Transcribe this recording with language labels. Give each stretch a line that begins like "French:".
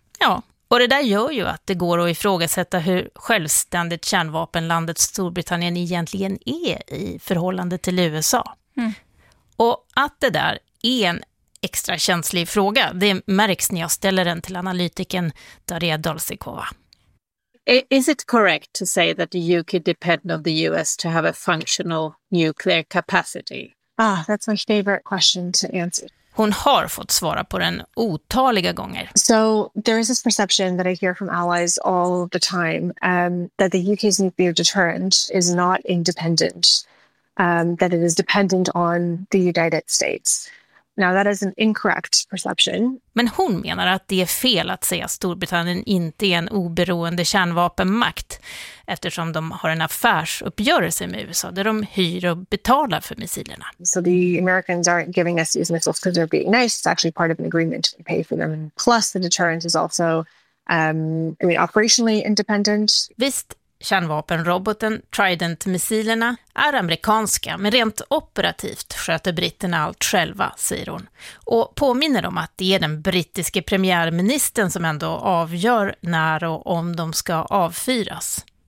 Swedish: Ja, och det där gör ju att det går att ifrågasätta hur självständigt kärnvapenlandet Storbritannien egentligen är i förhållande till USA. Mm. Och att det där är en extra känslig fråga. Det märks när jag ställer den till analytiken Daria Dolsikova.
English: Is it correct to say that the UK depend on the US to have a functional nuclear capacity? Ah, that's my favorite question to answer.
Swedish: Hon har fått svara på den otaliga gånger.
English: So there is this perception that I hear from allies all the time that the UK's nuclear deterrent is not independent, that it is dependent on the United States. Now that is an incorrect perception.
Swedish: Men hon menar att det är fel att säga att Storbritannien inte är en oberoende kärnvapenmakt eftersom de har en affärsuppgörelse med USA där de hyr och betalar för missilerna.
English: So the Americans aren't giving us these missiles because they're being nice. It's actually part of an agreement to pay for them. Plus the deterrent is also operationally independent.
Swedish: Visst. Kärnvapenroboten Trident-missilerna är amerikanska, men rent operativt sköter britterna allt själva, säger hon. Och påminner om att det är den brittiske premiärministern som ändå avgör när och om de ska avfyras.